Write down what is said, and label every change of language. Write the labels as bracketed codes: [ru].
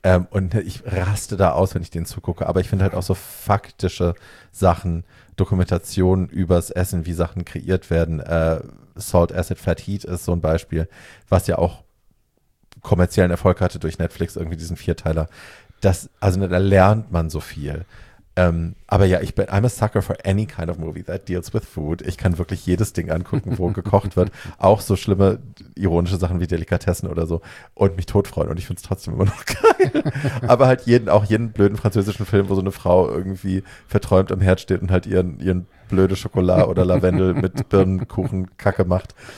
[de] Und ich raste da aus, wenn ich den zugucke. Aber ich finde halt auch so faktische Sachen, Dokumentationen übers Essen, wie Sachen kreiert werden. Salt Acid Fat Heat ist so ein Beispiel, was ja auch kommerziellen Erfolg hatte durch Netflix, irgendwie diesen Vierteiler. Da lernt man so viel. Aber ja, [en] I'm a sucker for any kind of movie that deals with food. [de] Ich kann wirklich jedes Ding angucken, wo gekocht wird. Auch so schlimme, ironische Sachen wie Delikatessen oder so. Und mich totfreuen. Und ich find's trotzdem immer noch geil. Aber halt jeden blöden französischen Film, wo so eine Frau irgendwie verträumt am Herd steht und halt ihren blöde Schokolade oder Lavendel mit Birnenkuchen Kacke macht.